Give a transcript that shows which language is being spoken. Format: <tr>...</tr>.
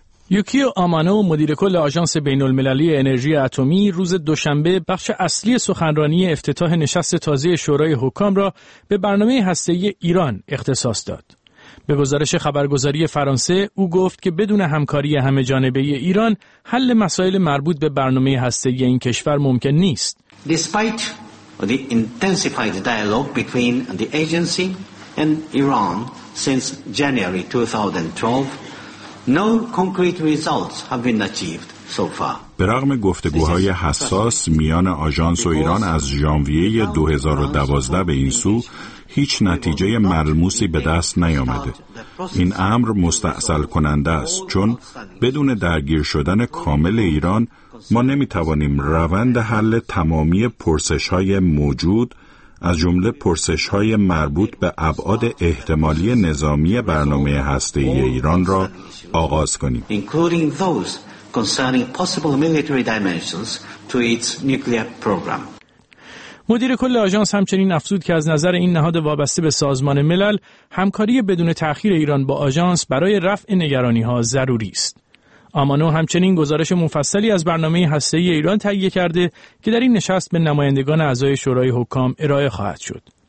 <fa>یوکیو آمانو مدیر کل آژانس بین المللی انرژی اتمی روز دوشنبه بخش اصلی سخنرانی افتتاح نشست تازه شورای حکام را به برنامه هسته‌ای ایران اختصاص داد. به گزارش خبرگزاری فرانسه او گفت که بدون همکاری همه جانبه ایران حل مسائل مربوط به برنامه هسته‌ای این کشور ممکن نیست.</fa> <en>Despite the intensified dialogue between the agency and Iran since January 2012, no concrete results have been achieved so far.</en> <fa>به رغم گفتگوهای حساس میان آژانس و ایران از ژانویه 2012 به این سو، هیچ نتیجه ملموسی به دست نیامده. این امر مستأصل کننده است، چون بدون درگیر شدن کامل ایران ما نمیتوانیم روند حل تمامی پرسش‌های موجود، از جمله پرسش‌های مربوط به ابعاد احتمالی نظامی برنامه هسته‌ای ایران را آغاز کنیم.</fa> <en>Including those concerning possible military dimensions to its nuclear program.</en> <fa>مدیر کل آژانس همچنین افزود که از نظر این نهاد وابسته به سازمان ملل، همکاری بدون تأخیر ایران با آژانس برای رفع نگرانی‌ها ضروری است. آمانو همچنین گزارش مفصلی از برنامه هسته‌ای ایران تهیه کرده که در این نشست به نمایندگان اعضای شورای حکام ارائه خواهد شد.</fa>